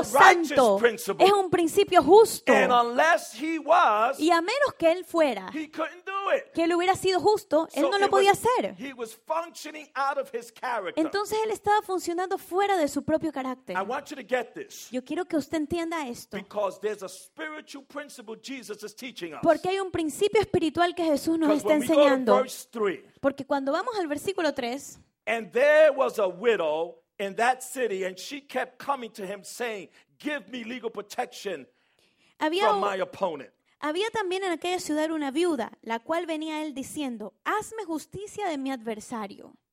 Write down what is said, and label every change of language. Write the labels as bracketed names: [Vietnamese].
[English] it's a righteous [Spanish] santo. [English] Principle. [Spanish] Es un principio justo. [English] And unless he was, [Spanish] y a menos que él fuera, [English] he couldn't do it. [Spanish] Que él hubiera sido justo, él [English] so [Spanish] no lo podía hacer. [English] He was functioning out of his character. [Spanish] Entonces él estaba funcionando fuera de su propio carácter. [English] I want you to get this. [Spanish] Yo quiero que usted entienda esto. [English] Because there's a spiritual principle Jesus is teaching us. [Spanish] Porque hay un principio espiritual que Jesús nos está enseñando. Porque cuando vamos al versículo 3, [English] and there was a widow in that city and she kept coming to him saying, give me legal protection from my opponent. [Spanish] Había también en aquella ciudad una viuda, la cual venía a él diciendo, hazme justicia de mi adversario.